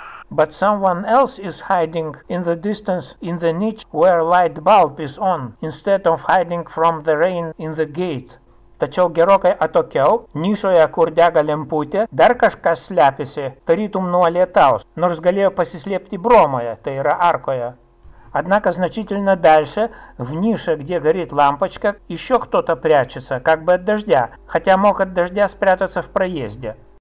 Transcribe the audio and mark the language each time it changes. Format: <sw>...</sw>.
<en>But someone else is hiding in the distance in the niche where light bulb is on, instead of hiding from the rain in the gate.</en> <lt>Tačiau gerokai atokiau, nišoje, kur dega lemputė, dar kažkas slepiasi, tarytum nuo lietaus, nors galėjo pasislėpti bromoje, tai yra arkoje.</lt> <ru>Однако значительно дальше, в нише, где горит лампочка, еще кто-то прячется, как бы от дождя, хотя мог от дождя спрятаться в проезде.</ru>